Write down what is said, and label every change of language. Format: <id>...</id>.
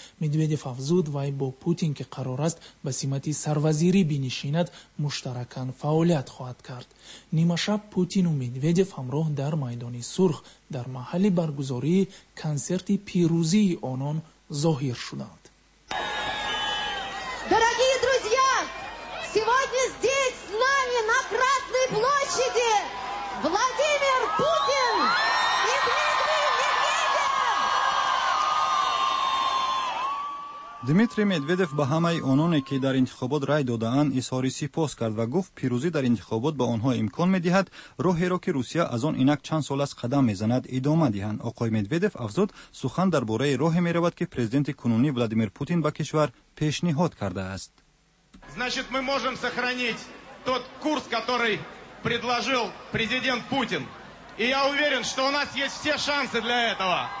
<fa>مدودیف افزود وی با پوتین که قرار است به سمت سروزیری بنشیند مشترکان فعالیت خواهد کرد. نیمه شب پوتین و مدودیف همراه در میدان سرخ در محل برگزاری کنسرت پیروزی آنان ظاهر شدند.</fa> <ru>Дорогие друзья, сегодня здесь с нами на Красной площади Владимир Путин и Дмитрий Медведев.</ru> <tg>Дмитрий Медведев ба ҳамаи ононе, ки дар интихобот рай додаанд, изҳори сипос кард ва гуфт, пирӯзӣ дар интихобот ба онҳо имкон медиҳад, роҳеро ки Русия аз он инак чанд сол аст қадам мезанад, идома диҳанд. Оқои Медведев афзуд, сухан дар бораи роҳе меравад, ки президенти кунунӣ Владимир Путин ба кишвар пешниҳод карда аст.</tg> <ru>Значит, мы можем сохранить тот курс, который предложил президент Путин. И я уверен, что у нас есть все шансы для этого.</ru>